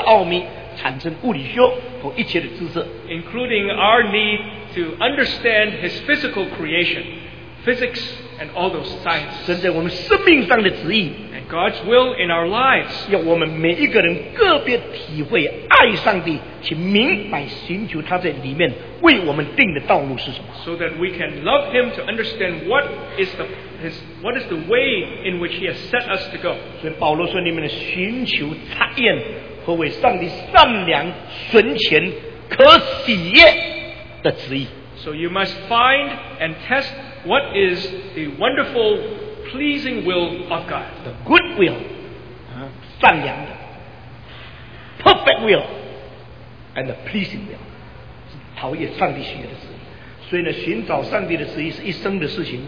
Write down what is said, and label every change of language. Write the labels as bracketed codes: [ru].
[zh] 包括了要人研究发展认识造的奥秘产生物理学和一切的知识。 [en] Including our need to understand His physical creation, physics and all those sciences. [zh] 神在我们生命上的旨意。 [en] God's will in our lives. [zh] 要我们每一个人个别体会爱上帝，去明白寻求他在里面为我们定的道路是什么。 [en] So that we can love Him to understand what is the way in which He has set us to go. [zh] 所以保罗说：“你们的寻求查验，何为上帝善良、纯全、可喜悦的旨意。” [en] So you must find and test what is the wonderful, pleasing will of God. The good will. [zh] 善良的, [en] perfect will and the pleasing will [zh] 是陶冶上帝喜悦的旨意。所以呢，寻找上帝的旨意是一生的事情。